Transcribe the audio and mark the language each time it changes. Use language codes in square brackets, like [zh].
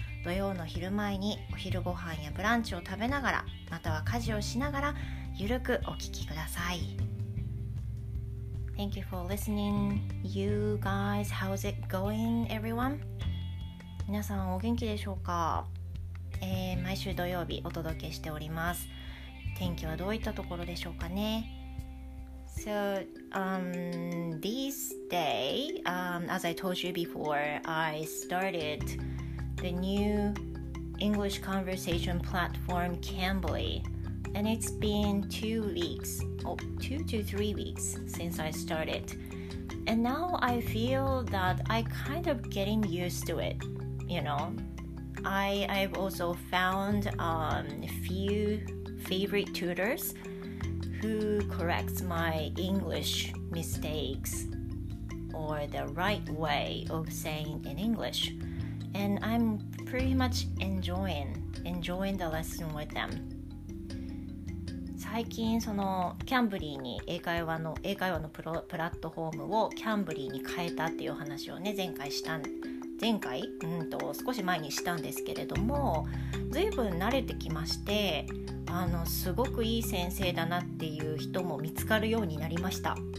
[ja] 土曜の昼前にお昼ご飯やブランチを食べながら、または家事をしながら、ゆるくお聞きください。 [en] Thank you for listening. You guys, how's it going, everyone? [ja] 皆さん、お元気でしょうか？毎週土曜日お届けしております。天気はどういったところでしょうかね？ [en] So, this day, as I told you before, I started the new English conversation platform Cambly, and it's been two to three weeks since I started. And now I feel that I kind of getting used to it, you know. I've also found a few favorite tutors. Who corrects my English mistakes or the right way of saying in English, and I'm pretty much enjoying the lesson with them. [ja] 最近そのキャンブリーに英会話のプラットフォームをキャンブリーに変えたっていう話をね少し前にしたんですけれども、ずいぶん慣れてきまして。すごくいい先生だなっていう人も見つかるようになりました。